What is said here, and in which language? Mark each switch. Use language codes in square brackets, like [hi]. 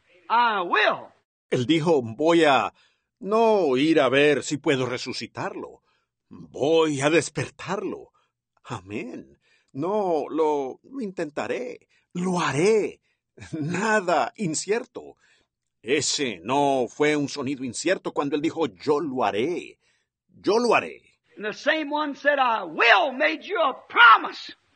[en] I will. [es] Él dijo, voy a no ir a ver si puedo resucitarlo. Voy a despertarlo. Amén. No, lo intentaré. Lo haré. Nada incierto. Ese no fue un sonido incierto cuando él dijo, yo lo haré. Yo lo haré. [en] And the same one said, I will, made you a promise.